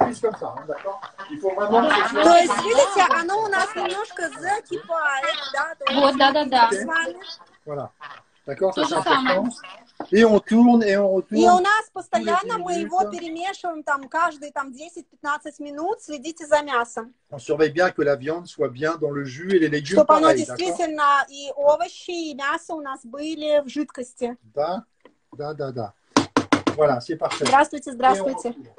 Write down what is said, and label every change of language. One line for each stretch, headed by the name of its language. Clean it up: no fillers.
Russian: То есть, видите, оно у нас немножко закипает, да? Вот, да-да-да.
French: D'accord,
Russian: то же самое. И он
French: tourne,
Russian: и он
French: retourne.
Russian: И у нас постоянно мы его перемешиваем там каждые там 10-15 минут. Следите за мясом.
French: On surveille bien que la viande soit bien dans le jus et les légumes.
Russian: Чтобы оно действительно и овощи, и мясо у нас были в жидкости. Да, да, да, да.
French: Voilà, c'est parfait.
Russian: Здравствуйте, здравствуйте.